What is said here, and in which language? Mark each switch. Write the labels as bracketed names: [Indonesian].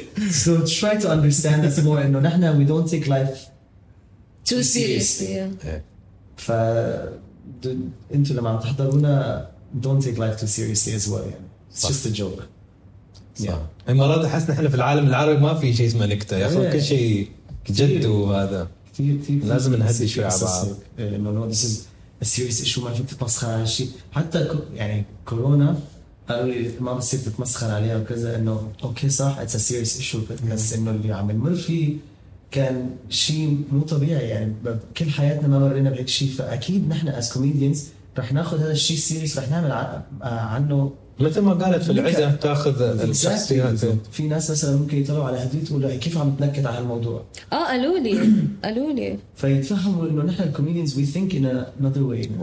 [English] so try to understand this more [Arabic] إنه نحنا [English] we don't take life too seriously. [Arabic] فا أنتوا لما عم تحضرونا [English] don't take life too seriously as well. يعني it's just a joke. [Arabic] صح. [English] Yeah. [Arabic] المرات أحس نحن في العالم العربي ما في شيء اسمه نكتة يا أخي. [English] Yeah. [Arabic] كل شيء جد وهذا كتير لازم نهدي شوي على بعض. [English] No, no, this is a serious issue. ما فيك تتمسخر على شيء. [Arabic] حتى يعني كورونا قالوا لي ما بصير تتمسخر عليها وكذا، إنه أوكي صح [English] it's a serious issue. Yeah. [Arabic] بس إنه اللي عم يمر فيه كان شيء مو طبيعي، يعني كل حياتنا ما مرينا بهيك شيء، فأكيد نحن [English] as comedians [Arabic] رح ناخذ هذا الشيء serious، رح نعمل عنه مثل ما قالت في العزة تأخذ الشخصيات. في ناس مثلا ممكن يطلعوا على هديت ويقولوا كيف عم تنكت على الموضوع. قالوا لي فيتفهموا انه نحن الكوميديانز [English] we think in another way.